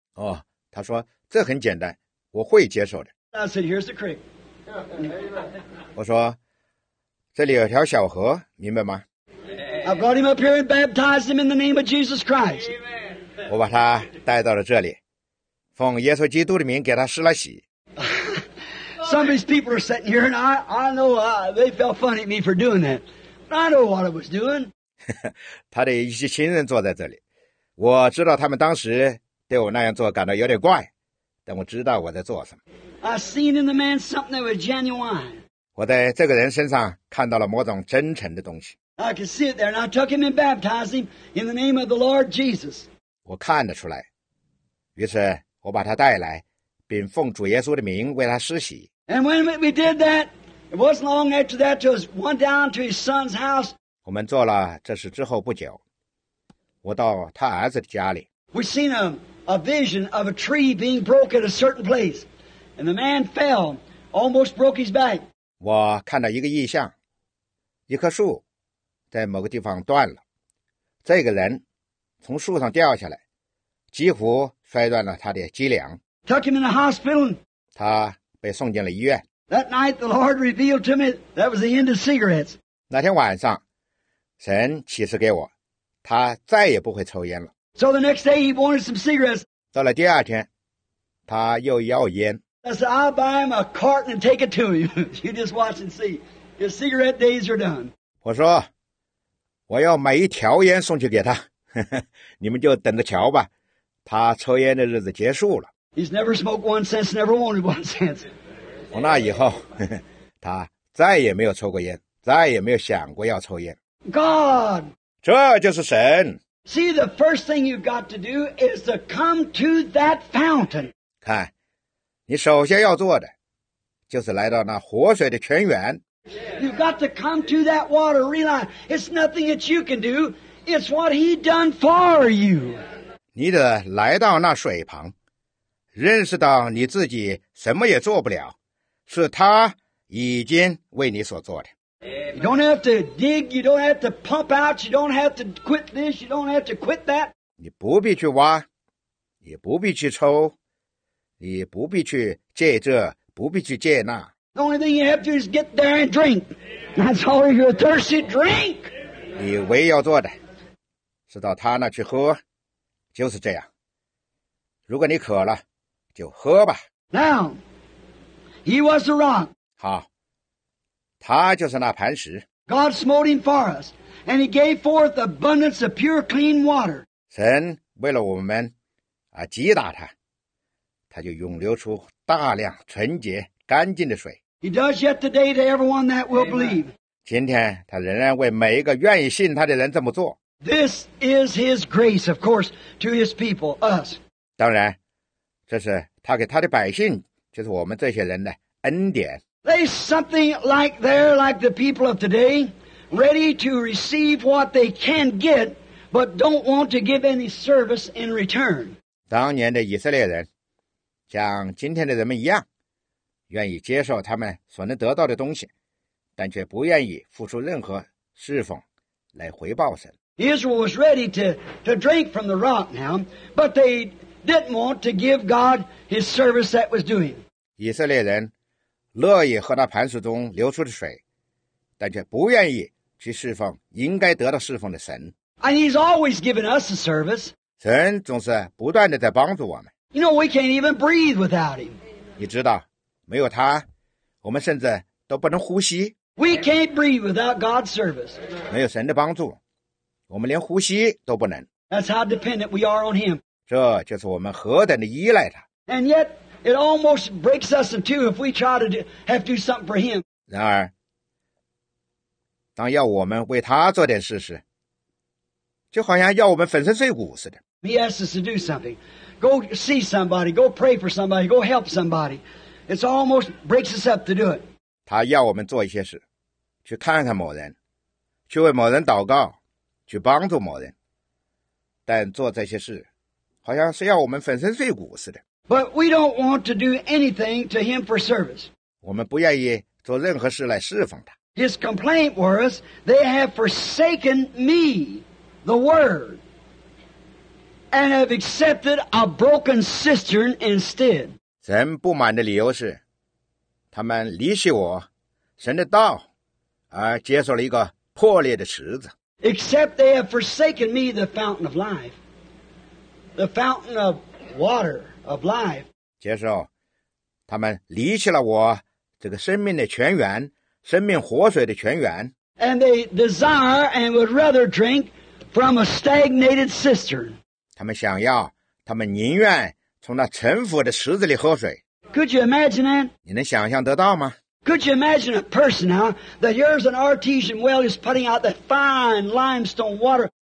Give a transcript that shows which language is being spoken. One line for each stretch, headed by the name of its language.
Chinese: 哦，他说，这很简单，我会接受的。
English: I said, here's the creek.
Chinese: 我说，这里有条小河，明白吗？
English: I brought him up here and baptized him in the name of Jesus Christ.
Chinese: 我把他带到了这里，奉耶稣基督的名给他施了洗。
English: Some of these people are sitting here, and I know they felt funny at me for doing that. I know what I was doing.
Chinese: 他的一些亲人坐在这里，我知道他们当时对我那样做感到有点怪，但我知道我在做什么。
English: I seen in the man something that was genuine.
Chinese: 我在这个人身上看到了某种真诚的东西。
English: I could see it there, and I took him and baptized him in the name of the Lord Jesus.
Chinese: 我看得出来，于是我把他带来。并奉主耶稣的名为他施洗。
English: And when we did that, it wasn't long after that till he went down to his son's house.
Chinese: 我们做了这事之后不久，我到他儿子的家里。
English: We seen a vision of a tree being broken at a certain place, and the man fell, almost broke his back.
Chinese: 我看到一个异象，一棵树在某个地方断了，这个人从树上掉下来，几乎摔断了他的脊梁。
English: Took him in the hospital.
Chinese: 他被送进了医院。
English: That night, the Lord revealed to me that was the end of cigarettes.
Chinese: 那天晚上，神启示给我，他再也不会抽烟了。
English: So the next day, he wanted some cigarettes.
Chinese: 到了第二天，他又要烟。
English: I said, I'll buy him a carton and take it to him. You just watch and see. His cigarette days are done.
Chinese: 我说，我要买一条烟送去给他，你们就等着瞧吧。他抽烟的日子结束了。
English: He's never smoked one since, never wanted one since.
Chinese: 从那以后，他再也没有抽过烟，再也没有想过要抽烟。
English: God!
Chinese: 这就是神。
English: See, the first thing you've got to do is to come to that fountain.
Chinese: 看，你首先要做的，就是来到那活水的泉源。
English: You've got to come to that water, realize it's nothing that you can do, it's what he done for you.
Chinese: 你得来到那水旁。认识到你自己什么也做不了，是他已经为你所做的。
English: You don't have to dig, you don't have to pump out, you don't have to quit this, you don't have to quit that.
Chinese: 你不必去挖，也不必去抽，你不必去借这，不必去借那。
English: The only thing you have to do is get there and drink. That's all you're thirsty, drink.
Chinese: 你唯一要做的，是到他那去喝，就是这样。如果你渴了，就喝吧。
English: Now, he was the rock.
Chinese: 好，他就是那磐石。
English: God smote him for us, and he gave forth abundance of pure, clean water.
Chinese: 神为了我们啊，击打他，他就涌流出大量纯洁、干净的水。
English: He does yet today to everyone that will believe.
Chinese: 今天他仍然为每一个愿意信他的人这么做。
English: This is his grace, of course, to his people, us.
Chinese: 当然。这是他给他的百姓，就是我们这些人的恩典。
English: There's something like there, like the people of today, ready to receive what they can get, but don't want to give any service in return.
Chinese: 当年的以色列人，像今天的人们一样，愿意接受他们所能得到的东西，但却不愿意付出任何侍奉来回报神。
English: Israel was ready to drink from the rock now, but they didn't want to give God his service that was doing.
Chinese: 以色列人乐意喝那磐石中流出的水，但却不愿意去侍奉应该得到侍奉的神。
English: And he's always given us a service.
Chinese: 神总是不断地在帮助我们。
English: You know, we can't even breathe without him.
Chinese: 你知道，没有他，我们甚至都不能呼吸。
English: We can't breathe without God's service.
Chinese: 没有神的帮助，我们连呼吸都不能。
English: That's how dependent we are on him.
Chinese: 这就是我们何等的依赖他。
English: And yet, it almost breaks us in two if we try to have to do something for him.
Chinese: 然而，当要我们为他做点事时，就好像要我们粉身碎骨似的。
English: He asks us to do something. Go see somebody. Go pray for somebody. Go help somebody. It almost breaks us up to do it.
Chinese: 他要我们做一些事，去看看某人，去为某人祷告，去帮助某人。但做这些事，好像是要我们粉身碎骨似的。
English: But we don't want to do anything to him for service.
Chinese: 我们不愿意做任何事来侍奉他。
English: His complaint was, they have forsaken me, the word, and have accepted a broken cistern instead.
Chinese: 神不满的理由是，他们离弃我，神的道，而接受了一个破裂的池子。
English: Except they have forsaken me, the fountain of life, the fountain of water of life.
Chinese: 接受，他们离弃了我这个生命的泉源。生命活水的泉源。
English: And they desire and would rather drink from a stagnated cistern.
Chinese: 他们想要，他们宁愿从那沉腐的池子里喝水。
English: Could you imagine that?
Chinese: 你能想象得到吗？
English: Could you imagine a person now that here's an artesian well is putting out that fine limestone water?